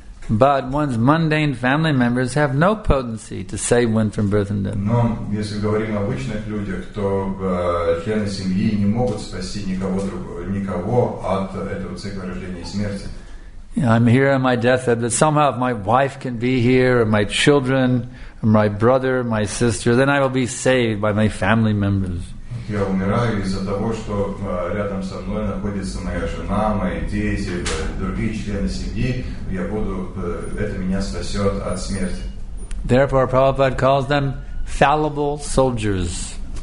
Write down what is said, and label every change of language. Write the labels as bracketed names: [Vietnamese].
[English] But one's mundane family members have no potency to save one from birth and death. [Russian] Но если говорим о обычных людях, то члены семьи не могут спасти никого от этого цикла рождения и смерти. [English] I'm here on my deathbed, but somehow if my wife can be here, or my children, or my brother, my sister, then I will be saved by my family members. [Russian] Я умираю из-за того, что рядом со мной находится моя жена, мои дети, другие члены семьи. Я буду, это меня спасет от смерти. [English] Therefore, Prabhupada calls them fallible soldiers.